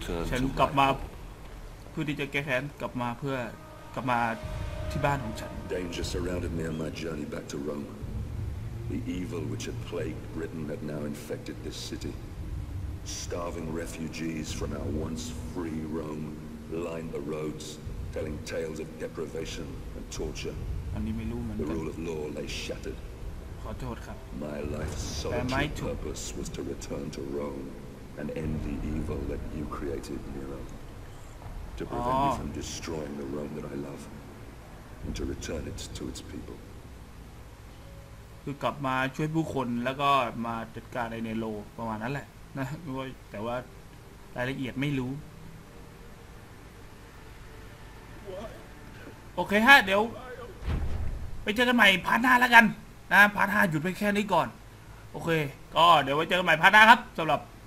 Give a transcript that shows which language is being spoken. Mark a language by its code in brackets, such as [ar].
[th] ฉันกลับมาเพื่อที่จะแก้แค้นกลับมาเพื่อกลับมาที่บ้านของฉัน [en] Danger surrounded me on my journey back to Rome. The evil which had plagued Britain had now infected this cityStarving refugees from our once free Rome lined the roads, telling tales of deprivation and torture. The rule of law lay shattered. My life's solitary purpose was to return to Rome and end the evil that you created, Nero. To prevent me from destroying the Rome that I love, and to return it to its people. [th] คือกลับมาช่วยผู้คนแล้วก็มาจัดการในเนโรประมาณนั้นแหละนะด้วยแต่ว่ารายละเอียดไม่รู้โอเคฮะเดี๋ยวไปเจอกันใหม่พาร์ทหน้าแล้วกันนะพาร์ทหน้าหยุดไปแค่นี้ก่อนโอเคก็เดี๋ยวไปเจอกันใหม่พาร์ทหน้าครับสำหรับ